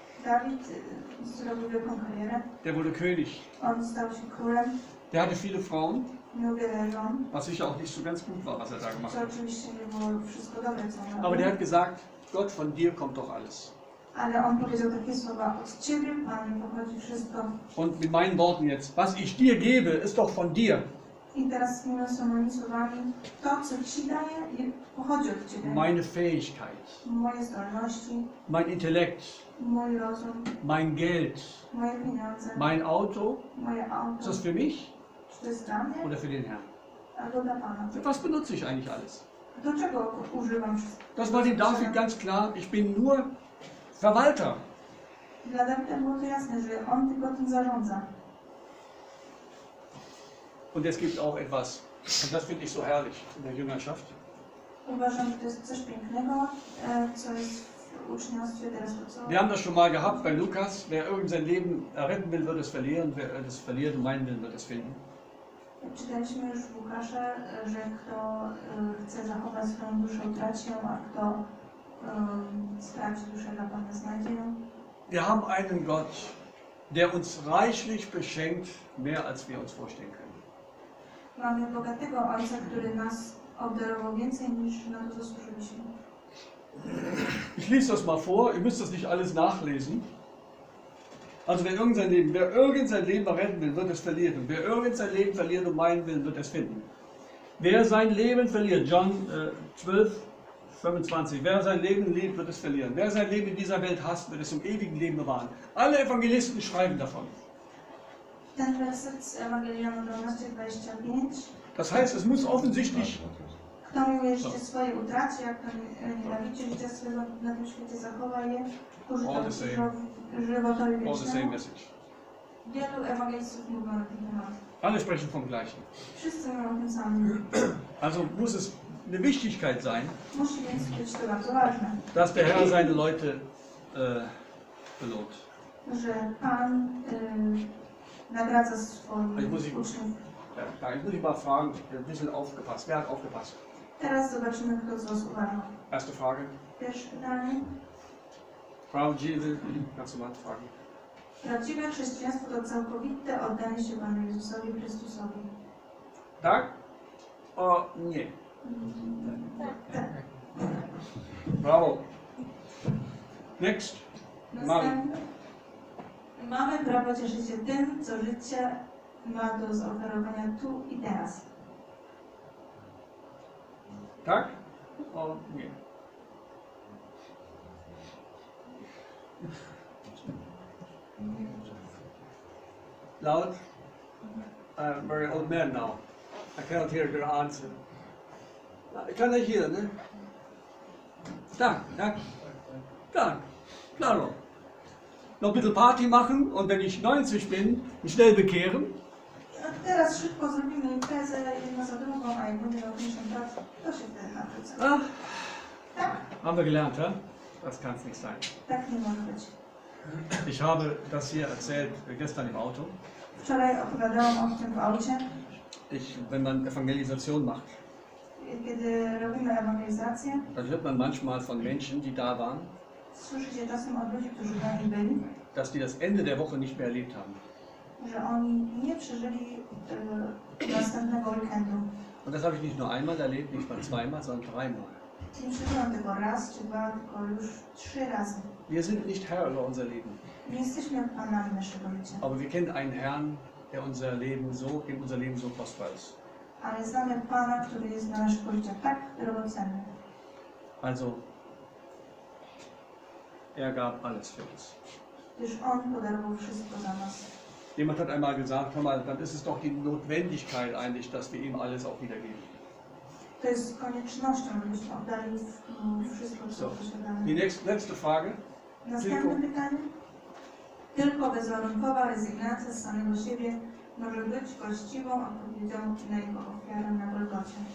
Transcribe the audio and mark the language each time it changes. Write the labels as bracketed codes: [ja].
[pl] David, zrobił wielką karierę. [de] Der wurde König. [pl] On stał się królem. [de] Der hatte viele Frauen. [pl] Wiele żon, [de] was sicher auch nicht so ganz gut war, was er da gemacht hat. [pl] Wszystko dobre, co on [de] aber der hat gesagt, Gott, von dir kommt doch alles. [pl] Ale on powiedział takie słowa, od Ciebie, Panie, pochodzi wszystko. [de] Und mit meinen Worten jetzt, was ich dir gebe, ist doch von dir. [pl] I teraz mówiąc moimi słowami, to, co Ci daję, pochodzi od Ciebie. [de] Meine Fähigkeit. [pl] Moje zdolności. [de] Mein Intellekt. [pl] Mój rozum. [de] Mein Geld. [pl] Moje pieniądze. [de] Mein Auto. [pl] Moje Auto. [de] Ist das für mich? [pl] Czy to jest dla mnie? [de] Oder für den Herrn? [pl] Albo dla Pana. [de] Für was benutze ich eigentlich alles? [pl] Do czego używam wszystko? [de] Das war dem David ganz klar, ich bin nur Verwalter. [pl] Dla Dawida było to jasne, że on tylko tym zarządza. [de] Und es gibt auch etwas, und das finde ich so herrlich in der Jüngerschaft. [pl] Uważam, że to jest coś pięknego, co jest w uczniostwie teraz. [de] Wir haben das schon mal gehabt bei Lukas. Wer irgend sein Leben retten will, wird es verlieren. Wer es verliert, um meinen Willen, wird es finden. [pl] Czytaliśmy już w Łukasza, że kto chce zachować swoją duszę, utraci ją, a kto straci duszę dla Pana, znajdzie ją. [de] Wir haben einen Gott, der uns reichlich beschenkt, mehr als wir uns vorstellen können. [pl] Mamy bogatego Ojca, który nas obdarował więcej niż na to zasłużyliśmy. [de] Ich lese das mal vor, ihr müsst das nicht alles nachlesen. Also wer irgend sein Leben retten will, wird es verlieren. Wer irgend sein Leben verliert um meinen Willen, wird es finden. Wer sein Leben verliert, John 12, 25, wer sein Leben liebt, wird es verlieren. Wer sein Leben in dieser Welt hasst, wird es im ewigen Leben bewahren. Alle Evangelisten schreiben davon. [pl] Ten werset z Ewangelii Jana 12:25. [de] Das heißt, es muss offensichtlich. [pl] Kto miłuje życie swoje utraci, jak to nienawidzi życia swego na tym świecie zachowa je, którzy to żywotowi wieczne. Wielu Ewangelistów mówią na ten temat. [de] Alle sprechen vom Gleichen. [pl] Wszyscy mówią o tym samym. [de] Also muss es eine Wichtigkeit sein, [pl] musi być to bardzo ważne, [de] dass der Herr seine Leute belohnt. [pl] Że Pan nagradza swoich uczniów. [de] Ja, da muss ich mal fragen, ein bisschen aufgepasst. Wer hat aufgepasst? [pl] Teraz zobaczymy, kto z was uważał. [de] Erste Frage. [pl] Pierwsze pytanie. [de] Frau Jesus, kannst du mal fragen. [pl] Prawdziwe chrześcijaństwo to całkowite oddanie się Panu Jezusowi Chrystusowi. Tak? O, nie. Tak. Brawo. [en] Next. [pl] Mamy prawo cieszyć się tym, co życie ma do zaoferowania tu i teraz. Tak? O nie. [en] Loud? I'm a very old man now. I cannot hear your answer. [de] Kann ich hier, ne? [pl] Tak, tak. Tak, klaro. [de] Noch ein bisschen Party machen und wenn ich 90 bin, schnell bekehren. [pl] Teraz szybko zrobimy imprezę, jedna za drugą, a jak będzie 50 lat, to się wtedy nawrócę. Tak. [de] Haben wir gelernt, ja? Das kann's nicht sein. [pl] Tak nie może być. [de] Ich habe das hier erzählt gestern im Auto. [pl] Wczoraj opowiadałam o tym w aucie. [de] wenn man Evangelisation macht. [pl] Kiedy robimy ewangelizację, [de] to hört man manchmal von Menschen, die da waren, [pl] słyszycie czasem od ludzi, którzy tam byli, [de] dass die das Ende der Woche nicht mehr erlebt haben. [pl] Że oni nie przeżyli następnego weekendu. [de] Und das habe ich nicht nur einmal erlebt, nicht mal zweimal, sondern dreimal. [pl] Nie przeżyłam tego raz, czy dwa, tylko już trzy razy. [de] Wir sind nicht Herr über unser Leben. [pl] Nie jesteśmy panami naszego życia. [de] Aber wir kennen einen Herrn, der unser Leben so, in unser Leben so kostbar ist. [pl] Ale znamy Pana, który jest na naszych policzach tak drogocenny. [de] Also, er gab alles für uns. [pl] Gdyż On podarował wszystko za nas. [de] Jemand hat einmal gesagt, hör mal, dann ist es doch die Notwendigkeit eigentlich, dass wir ihm alles auch wiedergeben. [pl] To jest koniecznością, abyśmy oddali wszystko, co posiadamy. [de] Die letzte Frage. [pl] Następne pytanie. Tylko bezwarunkowa rezygnacja z samego siebie może być właściwą odpowiedzią na jego ofiarę na Golgocie.